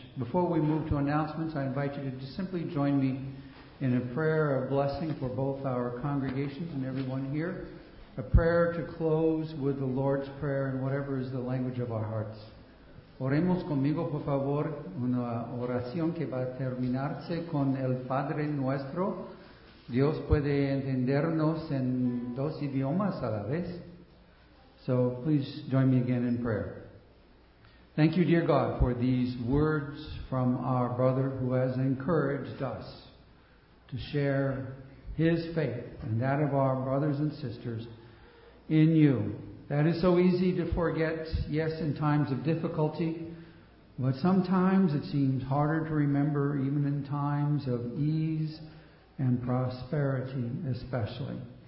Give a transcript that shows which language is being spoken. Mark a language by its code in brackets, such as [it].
[en] Before we move to announcements, I invite you to just simply join me in a prayer of blessing for both our congregations and everyone here. A prayer to close with the Lord's Prayer in whatever is the language of our hearts. [es] Oremos conmigo, por favor, una oración que va a terminarse con el Padre Nuestro. Dios puede entendernos en dos idiomas a la vez. [en] So please join me again in prayer. Thank you, dear God, for these words from our brother who has encouraged us to share his faith and that of our brothers and sisters in you. That is so easy to forget, yes, in times of difficulty, but sometimes it seems harder to remember, even in times of ease and prosperity especially.